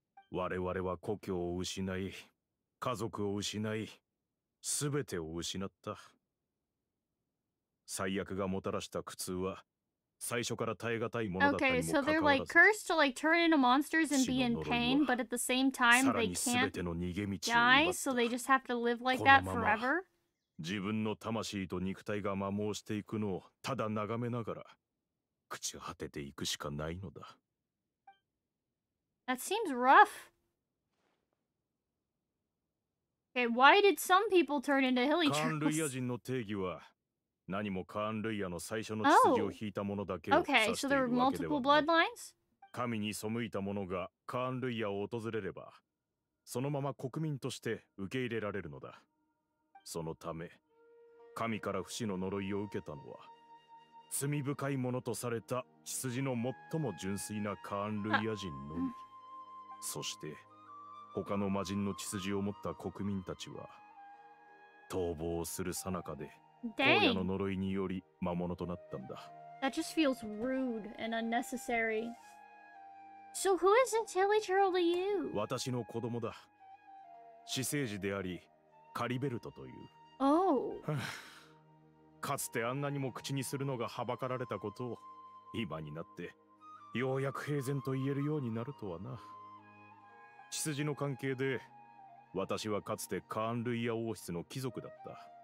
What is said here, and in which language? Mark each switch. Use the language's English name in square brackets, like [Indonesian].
[Japanese] 我々は故郷を失い、家族を失い、すべてを失った。最悪がもたらした苦痛は最初から耐え難いものだったにもかかわらず、 [English] okay, so like、cursed to like turn into monsters and be in pain, but at the same time they can't die, so they just have to live like that forever. [Japanese] 自分の魂と肉体が摩耗していくのをただ眺めながら朽ち果てていくしかないのだ。 [English] That seems rough. Okay, why did some people turn into hilly trolls? [Japanese] カーンルイヤ人の定義は何もカーンルイヤの最初の血筋を引いたものだけを指しているわけではない。神に背いた者がカーンルイヤを訪れれば、そのまま国民として受け入れられるのだ。そのため、神から不死の呪いを受けたのは、罪深いものとされた血筋の最も純粋なカーンルイヤ人のみ。そして、他の魔人の血筋を持った国民たちは、逃亡する最中で、 [English] Dang. That just feels rude and unnecessary. So who is this hilly churl to you? [Japanese] 私の子供だ。私生児であり、カリベルトという。 [English] Oh. [Japanese] かつてあんなにも口にするのがはばかられたことを、今になってようやく平然と言えるようになるとはな。血筋の関係で、私はかつてカーンルイヤ王室の貴族だった。